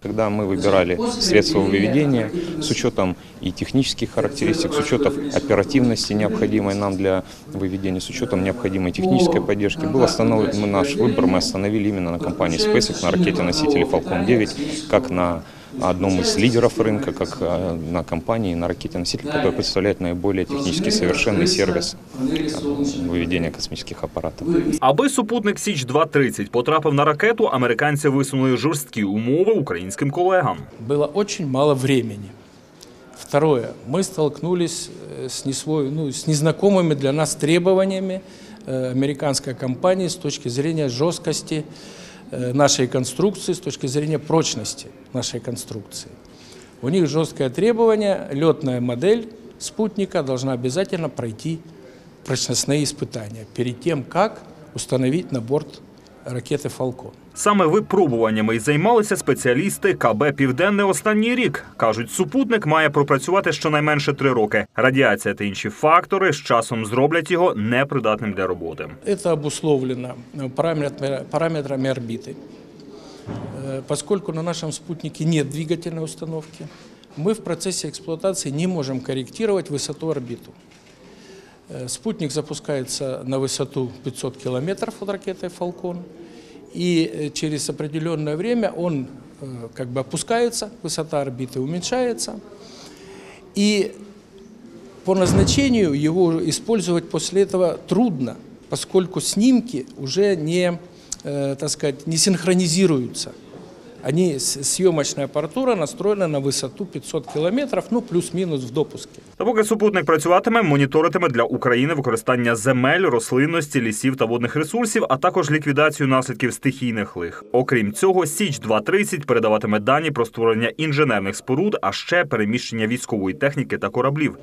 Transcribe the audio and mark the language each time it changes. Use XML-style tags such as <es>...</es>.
<uk>Коли ми вибирали средства виведення з учетом і технічних характеристик, з учетом оперативних, необхідної нам для виведення з учетом необхідної технічної підтримки, був встановлений наш вибір, ми встановили іменно на компанії SpaceX, на ракеті-носителі Falcon 9, як на одному з лідерів ринку, як на компанії, на ракеті-носителі, яка представляє найбільш технічно совершенний сервіс виведення космічних апаратів. Аби супутник Січ-2-30 потрапив на ракету, американці висунули жорсткі умови українським колегам. Було дуже мало часу.</uk> <ru>Второе, мы столкнулись с незнакомыми для нас требованиями американской компании с точки зрения жесткости нашей конструкции, с точки зрения прочности нашей конструкции. У них жесткое требование, летная модель спутника должна обязательно пройти прочностные испытания перед тем, как установить на борт ракеты «Falcon».</ru> <uk>Саме випробуваннями й займалися спеціалісти КБ «Південне» останній рік. Кажуть, супутник має пропрацювати щонайменше 3 роки. Радіація та інші фактори з часом зроблять його непридатним для роботи. Це обусловлено параметрами орбіти. Оскільки на нашому спутнику немає двигательної установки, ми в процесі експлуатації не можемо коректувати висоту орбіту. Спутник запускається на висоту 500 кілометрів від ракети «Falcon».</uk> <ru>И через определенное время он как бы опускается, высота орбиты уменьшается. И по назначению его использовать после этого трудно, поскольку снимки уже не, так сказать, не синхронизируются. Они, съемочная апаратура настроена</ru> <uk>на висоту 500 кілометрів, ну плюс-мінус в допуску. Та поки супутник працюватиме, моніторитиме для України використання земель, рослинності, лісів та водних ресурсів, а також ліквідацію наслідків стихійних лих. Окрім цього, Січ-2-30 передаватиме дані про створення інженерних споруд, а ще переміщення військової техніки та кораблів.</uk>